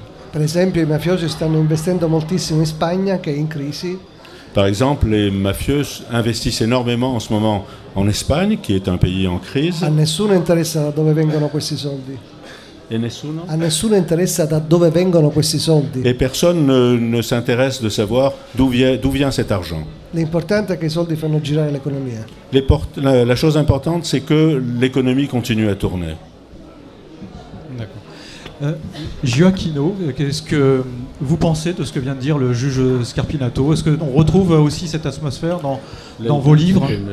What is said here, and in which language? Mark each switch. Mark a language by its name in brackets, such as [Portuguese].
[Italian] Per esempio, i mafiosi stanno investendo moltissimo in Spagna, che è in crisi. [French] Par exemple, les mafieux investissent énormément en ce moment en Espagne, qui est un pays en crise. [Italian] A nessuno interessa da dove vengono questi soldi. E nessuno? A nessuno interessa da dove vengono questi soldi. [French] E personne ne s'intéresse de savoir d'où vient cet argent. [Italian] L'importante è che i soldi fanno girare l'economia. [French] La chose importante, c'est que l'économie continue à tourner. D'accord. Gioacchino, qu'est-ce que vous pensez de ce que vient de dire le juge Scarpinato? Est-ce qu'on retrouve aussi cette atmosphère dans vos livres?